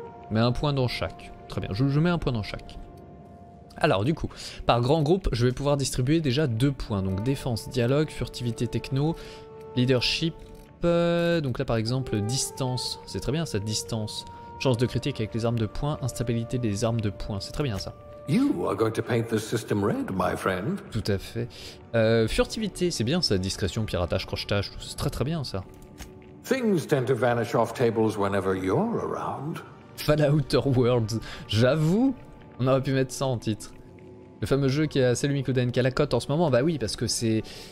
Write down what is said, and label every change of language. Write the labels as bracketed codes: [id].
[fr] Mets un point dans chaque. Très bien, je mets un point dans chaque. Alors du coup, par grand groupe, je vais pouvoir distribuer déjà 2 points. Donc défense, dialogue, furtivité techno, leadership. Donc là par exemple, distance, c'est très bien ça, distance. Chance de critique avec les armes de poing, instabilité des armes de poing, c'est très bien ça. [en] You are going to paint the system red, my friend. [fr] Tout à fait. Furtivité, c'est bien ça, discrétion, piratage, crochetage, c'est très très bien ça. [en] Things tend to vanish off tables whenever you're around. [fr] Fallout Worlds, j'avoue, on aurait pu mettre ça en titre. Le fameux jeu qui a Selou Mikoudaine qui a la cote en ce moment, bah oui, parce que c'est...